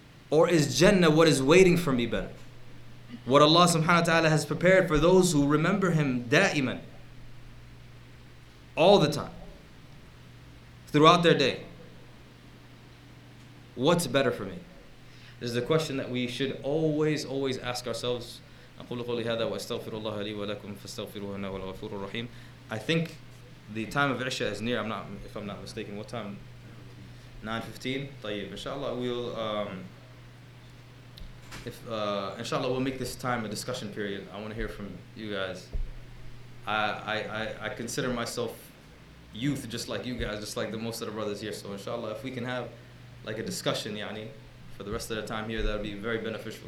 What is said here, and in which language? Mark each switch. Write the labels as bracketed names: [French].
[English] Or is Jannah what is waiting for me better? What Allah subhanahu wa ta'ala has prepared for those who remember Him da'iman. All the time. Throughout their day. What's better for me? This is a question that we should always, always ask ourselves. [Arabic] أقول قولي هذا وأستغفر الله لي ولكم فاستغفروه إنه الغفور الرحيم. [English] I think the time of Isha is near. If I'm not mistaken, what time? 9:15. طيب. Inshallah, we'll make this time a discussion period. I want to hear from you guys. I consider myself youth, just like you guys, just like the most of the brothers here. So inshallah, if we can have like a discussion, yani, for the rest of the time here, that'll be very beneficial.